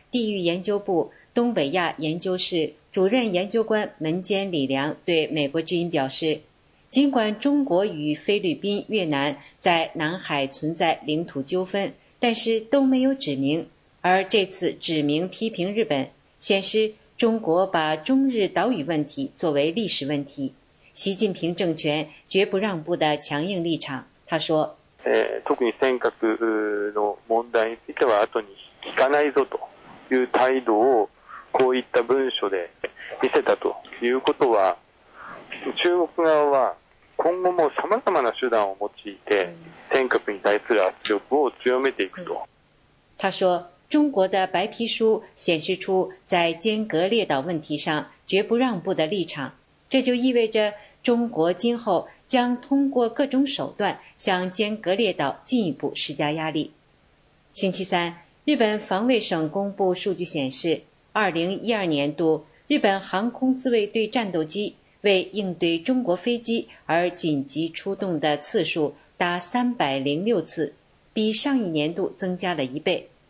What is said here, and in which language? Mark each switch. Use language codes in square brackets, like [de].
[zh] 地域研究部东北亚研究室主任研究官门间李良对美国之音表示，尽管中国与菲律宾、越南在南海存在领土纠纷，但是都没有指明，而这次指明批评日本，显示中国把中日岛屿问题作为历史问题，习近平政权绝不让步的强硬立场。他说， [ja] 特に尖閣の問題については後に聞かないぞという態度をこういった文書で見せたということは、中国側は今後も様々な手段を用いて尖閣に対する圧力を強めていくと。 [zh] 他说，中国的白皮书显示出在尖阁列岛问题上绝不让步的立场，这就意味着中国今后将通过各种手段向尖阁列岛进一步施加压力。星期三，日本防卫省公布数据显示，2012年度日本航空自卫队战斗机为应对中国飞机而紧急出动的次数达306次，比上一年度增加了一倍。